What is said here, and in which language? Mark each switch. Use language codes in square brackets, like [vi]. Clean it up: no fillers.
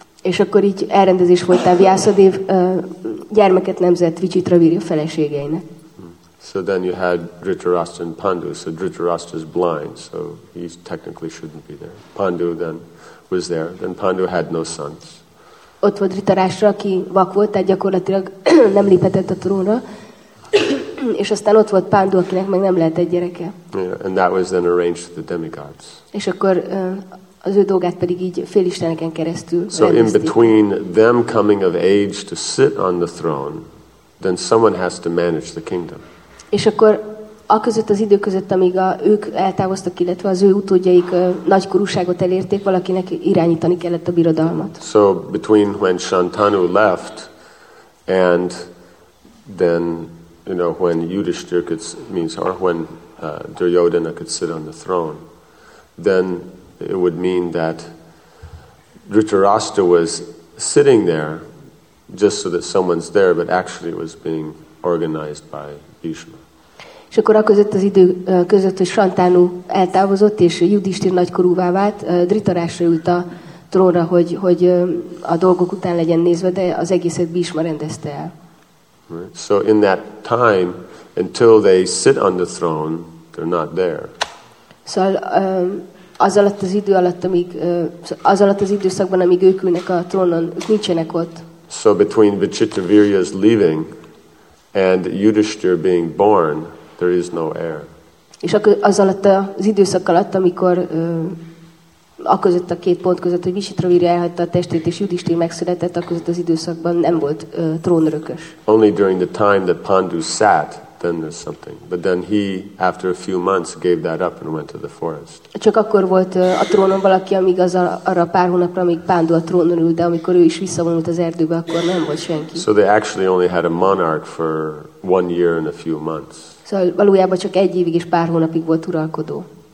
[hu] És akkor így elrendezés volt a Vyasadev gyermeket nemzett Vichitravirya feleségeinek. [en] So then you had Dhritarashtra and Pandu. So Dhritarashtra is blind, so he technically shouldn't be there. Pandu then was there. Then Pandu had no sons. [hu] Ott volt Dhritarashtra, aki vak volt, tehát gyakorlatilag nem léphetett a trónra. És aztán ott volt Pandu, akinek meg nem lehet egy gyereke. [en] Yeah, and that was then arranged to the demigods. [hu] És akkor az ő dolgát pedig így félisteneken keresztül rendezték. [en] So in between them coming of age to sit on the throne, then someone has to manage the kingdom. [hu] És akkor aközött az idő között, amíg ők eltávoztak, illetve az ő utódjaik nagykorúságot elérték, valakinek irányítani kellett a birodalmat. [en] So between when Shantanu left and then, you know, when Yudhishthira could, means, or when Duryodhana could sit on the throne, then it would mean that Dhritarashtra was sitting there just so that someone's there, but actually it was being organized by Bhishma. [hu] És akkor aközött az idő között, hogy Shantanu eltávozott, és Yudhishthira nagykorúvá vált, Dhritarashtra ült a trónra, hogy a dolgok után legyen nézve, de az egészet Bhishma rendezte el. [en] So in that time, until they sit on the throne, they're not there. [hu] Szóval az alatt az idő alatt, amíg, az alatt az időszakban, amíg ők ülnek a trónon, ők nincsenek ott. [en] So between Vichitravirya's leaving and Yudhishthira being born, there is no heir. [hu] És akkor az alatt az időszak alatt, amikor aközött a két pont között, hogy Vichitravirya elhagyta a testét és Yudhishthira megszületett, aközött az időszakban nem volt trónörökös. [en] Only during the time that Pandu sat, then there's something. But then he, after a few months, gave that up and went to the forest. [hu] Csak akkor volt a trónon valaki, amíg az arra pár hónapra, amíg Pandu a trónon ült, de amikor ő is visszavonult az erdőbe, akkor nem volt senki. [en] So they actually only had a monarch for 1 year and a few months. [hu] Szóval valójában csak egy évig és pár hónapig volt uralkodó.